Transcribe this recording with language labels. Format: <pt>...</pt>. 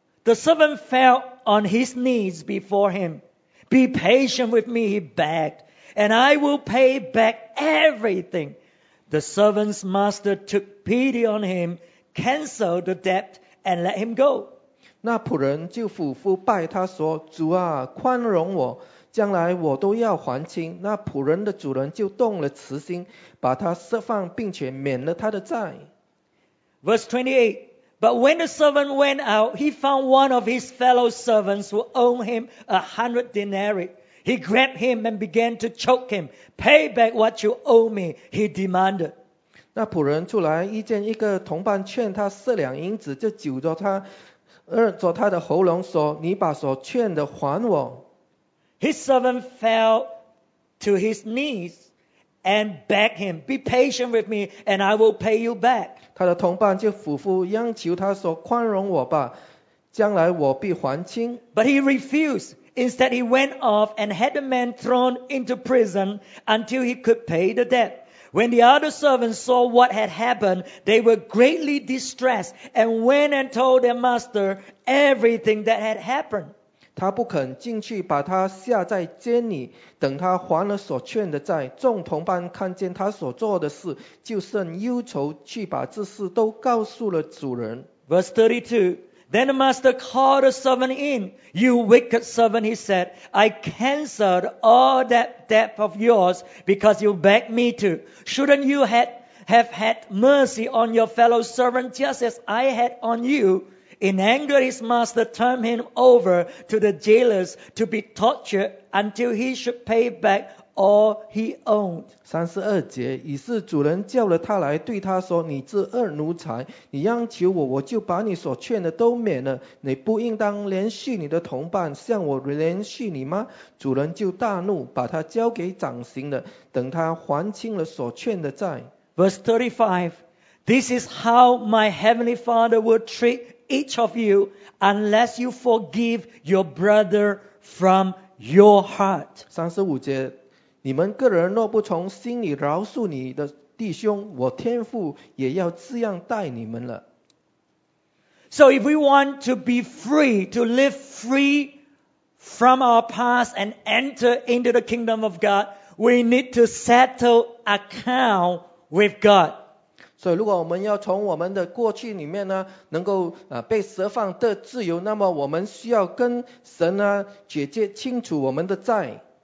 <en>The servant fell on his knees before him. Be patient with me, he begged. And I will pay back everything. The servant's master took pity on him, canceled the debt, and let him go.</en> <zh>那仆人就俯伏拜他说：“主啊，宽容我，将来我都要还清。” 那仆人的主人就动了慈心，把他释放，并且免了他的债。</zh> <en>Verse 28. But when the servant went out, he found one of his fellow servants who owed him 100 denarii. He grabbed him and began to choke him. Pay back what you owe me, he demanded.</en> <zh>那仆人出来，遇见一个同伴欠他4两银子，就揪着他，扼着他的喉咙说：“你把所欠的还我。”</zh> <en>His servant fell to his knees and begged him, "Be patient with me, and I will pay you back."</en> <zh>他的同伴就俯伏央求他说：“宽容我吧，将来我必还清。”</zh> <en>But he refused. Instead, he went off and had the man thrown into prison until he could pay the debt. When the other servants saw what had happened, they were greatly distressed and went and told their master everything that had happened.</en> <zh>他不肯进去，把他下在监里，等他还了所欠的债。众同伴看见他所做的事，就甚忧愁，去把这事都告诉了主人。</zh> <en>Verse 32. Then the master called the servant in. You wicked servant, he said, I canceled all that debt of yours because you begged me to. Shouldn't you have had mercy on your fellow servant just as I had on you? In anger, his master turned him over to the jailers to be tortured until he should pay back all he owned.</en> <zh>32节，于是主人叫了他来，对他说：“你这恶奴才，你央求我，我就把你所欠的都免了。你不应当连续你的同伴向我连续你吗？” 主人就大怒，把他交给掌刑的，等他还清了所欠的债。</zh> <en>Verse 35, This is how my heavenly Father will treat each of you unless you forgive your brother from your heart.</en> <zh>35节。你们个人若不从心里饶恕你的弟兄，我天父也要这样待你们了。</zh> <en>So if we want to be free, to live free from our past and enter into the kingdom of God, we need to settle account with God.</en> <zh>所以如果我们要从我们的过去里面呢能够被释放的自由，那么我们需要跟神呢解决清楚我们的债。</zh>